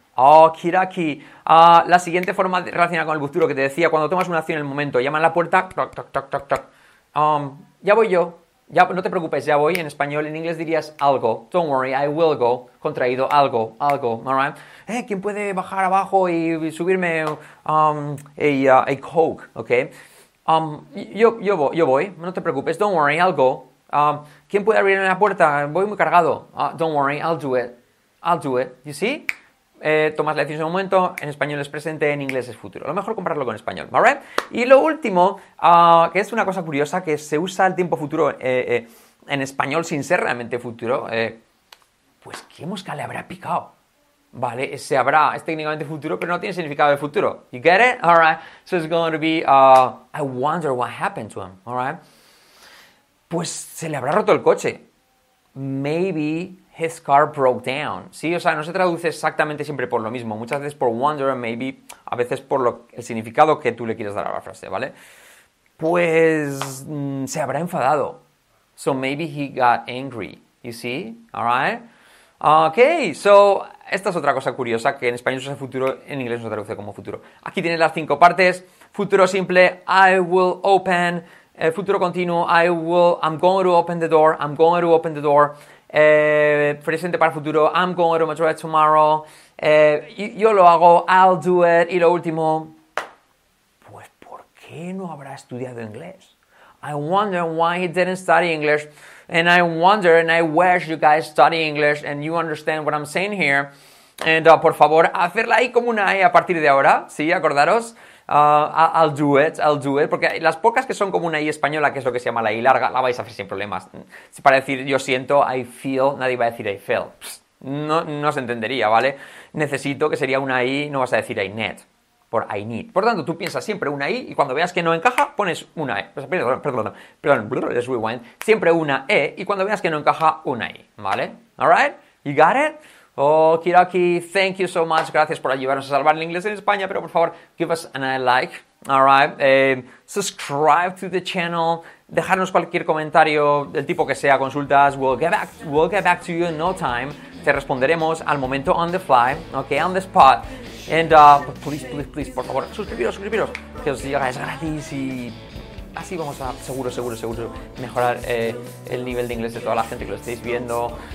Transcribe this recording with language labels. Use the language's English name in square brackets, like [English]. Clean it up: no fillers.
[Spanish] Okidoki. La siguiente forma relacionada con el futuro que te decía, cuando tomas una acción en el momento, llama a la puerta, toc, toc, toc, toc, toc. Ya voy yo. Ya, no te preocupes, ya voy. En español, en inglés dirías I'll go. [English] Don't worry, I will go. [Spanish] Contraído, [English] I'll go, I'll go. All right. [Spanish] ¿Quién puede bajar abajo y subirme a Coke? Okay. Yo voy, no te preocupes, [English] don't worry, I'll go. [Spanish] ¿Quién puede abrirme la puerta? Voy muy cargado. [English] Don't worry, I'll do it, you see? [Spanish] Tomas la decisión en un momento, en español es presente, en inglés es futuro. A lo mejor comprarlo con español, ¿vale? Y lo último, que es una cosa curiosa, que se usa el tiempo futuro en español sin ser realmente futuro, pues ¿qué mosca le habrá picado? Vale, ese habrá, es técnicamente futuro, pero no tiene significado de futuro. [English] You get it? All right. So it's going to be, I wonder what happened to him. [Spanish] All right. Pues se le habrá roto el coche. [English] Maybe his car broke down. [Spanish] Sí, o sea, no se traduce exactamente siempre por lo mismo. Muchas veces por wonder, maybe, a veces por el significado que tú le quieres dar a la frase, ¿vale? Pues se habrá enfadado. [English] So maybe he got angry. You see? All right. [Spanish] Okay, so esta es otra cosa curiosa, que en español se usa futuro, en inglés no se traduce como futuro. Aquí tienes las cinco partes. Futuro simple, [English] I will open. [Spanish] Futuro continuo, [English] I'm going to open the door, I'm going to open the door. [Spanish] Presente para futuro, [English] I'm going to Madrid tomorrow. [Spanish] Yo lo hago, [English] I'll do it. [Spanish] Y lo último, pues ¿por qué no habrá estudiado inglés? [English] I wonder why he didn't study English. And I wonder, and I wish you guys study English, and you understand what I'm saying here. [Spanish] And por favor, hacerla ahí como una E a partir de ahora, ¿sí? Acordaros. [English] I'll do it. [Spanish] Porque las pocas que son como una I española, que es lo que se llama la I larga, la vais a hacer sin problemas. Si para decir yo siento, I feel, nadie va a decir I feel. No se entendería, ¿vale? Necesito, que sería una I, no vas a decir I need. Por I need. Por tanto, tú piensas siempre una I y cuando veas que no encaja, pones una E. Perdón, rewind. Siempre una E y cuando veas que no encaja, una I. ¿Vale? [English] Alright? You got it? Okidoki, thank you so much. [Spanish] Gracias por ayudarnos a salvar el inglés en España, pero por favor, [English] give us an I like. Alright? Subscribe to the channel. [Spanish] Dejarnos cualquier comentario del tipo que sea, consultas. [English] We'll get back to you in no time. [Spanish] Te responderemos al momento [English] on the fly. Okay, on the spot. [Spanish] And please, por favor, suscribiros, que os diga, es gratis y así vamos a seguro mejorar el nivel de inglés de toda la gente que lo estáis viendo.